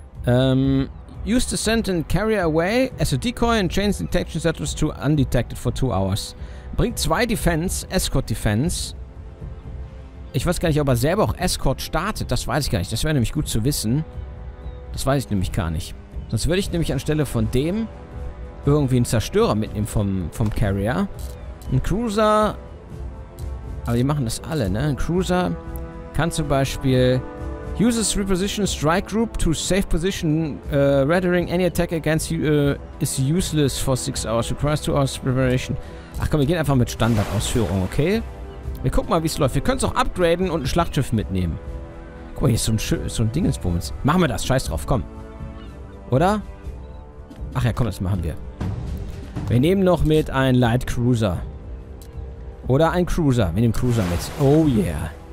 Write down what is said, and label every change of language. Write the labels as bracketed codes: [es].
[en] Use the sentient carrier away as a decoy and change detection status to undetected for 2 hours. [de] Bringt 2 Defense, Escort Defense... Ich weiß gar nicht, ob er selber auch Escort startet. Das weiß ich gar nicht. Das wäre nämlich gut zu wissen. Das weiß ich nämlich gar nicht. Sonst würde ich nämlich anstelle von dem irgendwie einen Zerstörer mitnehmen vom Carrier. Ein Cruiser. Aber die machen das alle, ne? Ein Cruiser kann zum Beispiel... [en] Uses reposition strike group to safe position. Rendering any attack against you is useless for 6 hours. Requires 2 hours preparation. [de] Ach komm, wir gehen einfach mit Standardausführung, okay? Wir gucken mal, wie es läuft. Wir können es auch upgraden und ein Schlachtschiff mitnehmen. Guck mal, hier ist so ein Ding ins Bummens. Machen wir das. Scheiß drauf. Komm. Oder? Ach ja, komm, das machen wir. Wir nehmen noch mit einen Light Cruiser. Oder einen Cruiser. Wir nehmen Cruiser mit. [en] Oh yeah.